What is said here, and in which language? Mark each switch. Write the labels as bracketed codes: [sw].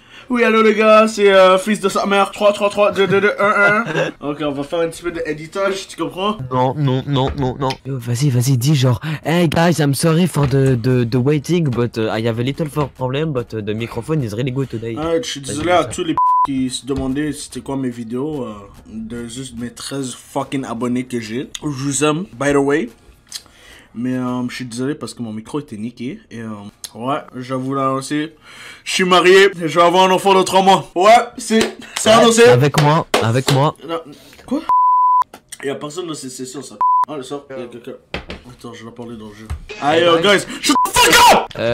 [fr] Oui, allô les gars, c'est fils de sa mère, 3-3-3-2-2-2-1-1. Ok, on va faire un petit peu d'éditage, tu comprends? Non. Yo, vas-y, dis genre, [en] hey guys, I'm sorry for the waiting, but I have a little for problem, but the microphone is really good today. [fr] Ouais, je suis désolé à tous les p*** qui se demandaient c'était quoi mes vidéos, de juste mes 13 fucking abonnés que j'ai. Je vous aime, [en] by the way. [fr] Mais je suis désolé parce que mon micro était niqué et... Ouais, je vais vous l'annoncer. Je suis marié et je vais avoir un enfant de 3 mois. Ouais, c'est annoncé. Avec moi. Quoi? Y'a personne dans cette session, ça. Oh, le sort. Y'a quelqu'un. Attends, je vais parler dans le jeu. [en] Hey, yo, guys, shut the fuck up!